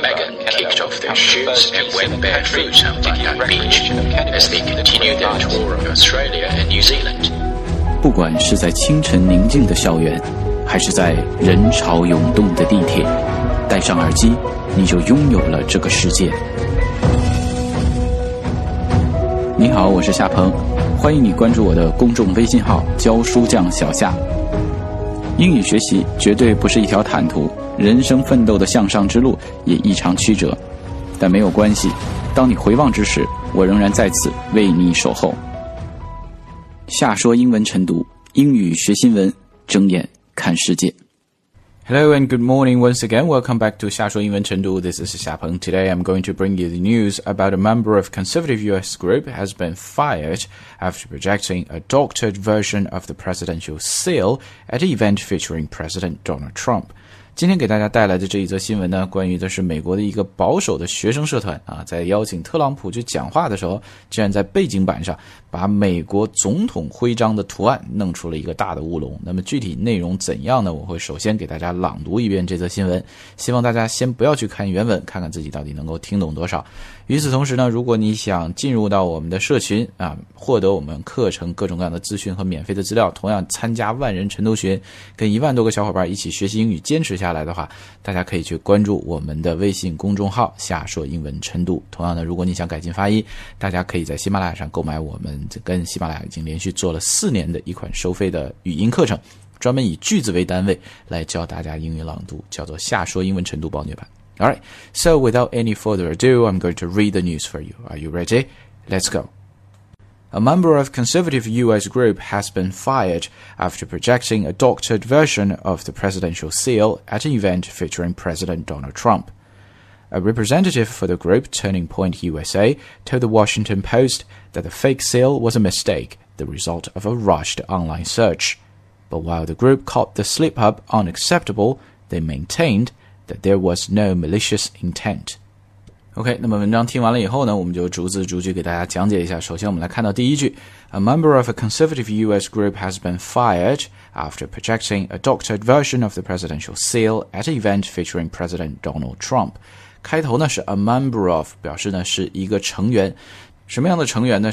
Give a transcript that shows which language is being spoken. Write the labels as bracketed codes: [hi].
[en] Megan kicked off their shoes and went barefoot on Bondi Beach as they continued their tour of Australia and New Zealand. [zh] 不管是在清晨宁静的校园，还是在人潮涌动的地铁，戴上耳机，你就拥有了这个世界。你好，我是夏鹏，欢迎你关注我的公众微信号教书匠小夏。英语学习绝对不是一条坦途，人生奋斗的向上之路也异常曲折，但没有关系，当你回望之时，我仍然在此为你守候。夏说英文晨读，英语学新闻，睁眼看世界。 [en] Hello and good morning once again. Welcome back to 夏说英文晨读.This is Xia Peng. Today I'm going to bring you the news about a member of conservative US group has been fired after projecting a doctored version of the presidential seal at an event featuring President Donald Trump. [zh] 今天给大家带来的这一则新闻呢，关于的是美国的一个保守的学生社团啊，在邀请特朗普去讲话的时候，竟然在背景板上把美国总统徽章的图案弄出了一个大的乌龙。那么具体内容怎样呢？我会首先给大家朗读一遍这则新闻，希望大家先不要去看原文，看看自己到底能够听懂多少。与此同时呢，如果你想进入到我们的社群啊，获得我们课程各种各样的资讯和免费的资料，同样参加万人晨读群，跟10000多个小伙伴一起学习英语，坚持下来的话，大家可以去关注我们的微信公众号夏说英文晨读。同样的，如果你想改进发音，大家可以在喜马拉雅上购买我们跟喜马拉雅已经连续做了4年的一款收费的语音课程，专门以句子为单位来教大家英语朗读，叫做夏说英文晨读暴虐版。 [en] Alright, so without any further ado, I'm going to read the news for you. Are you ready? Let's go. A member of conservative US group has been fired after projecting a doctored version of the presidential seal at an event featuring President Donald Trump. A representative for the group Turning Point USA told the Washington Post that the fake seal was a mistake, the result of a rushed online search. But while the group called the slip-up unacceptable, they maintainedthat there was no malicious intent. [zh] OK, 那么文章听完了以后呢，我们就逐字逐句给大家讲解一下。首先我们来看到第一句， [en] A member of a conservative US group has been fired after projecting a doctored version of the presidential seal at an event featuring President Donald Trump. [zh] 开头呢是 a member of, 表示呢是一个成员。什么样的成员呢？